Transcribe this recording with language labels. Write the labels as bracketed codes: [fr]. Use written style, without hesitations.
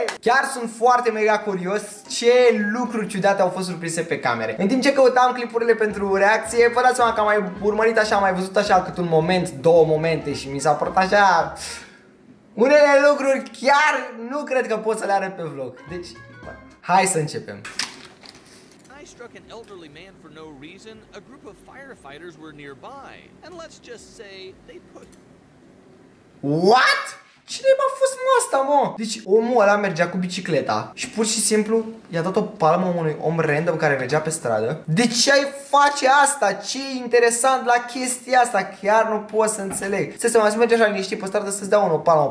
[ro] Chiar sunt foarte mega curios ce lucruri ciudate au fost surprise pe camere. În timp ce căutam clipurile pentru reacție, vă dați seama că am mai urmărit așa, am mai văzut așa cât un moment, două momente și mi s-a părut așa... Unele lucruri chiar nu cred că pot să le arăt pe vlog. Deci, hai să începem. [en] I struck an elderly man for no reason. A group of firefighters were nearby. And let's just say they put... What? [ro] Cine m-a fost mă asta, mă? Deci omul ăla mergea cu bicicleta și pur și simplu i-a dat o palmă unui om random care mergea pe stradă. De ce ai face asta? Ce e interesant la chestia asta? Chiar nu pot să înțeleg. Să se mai merge așa liniștit pe stradă să-ți dea unul o palmă.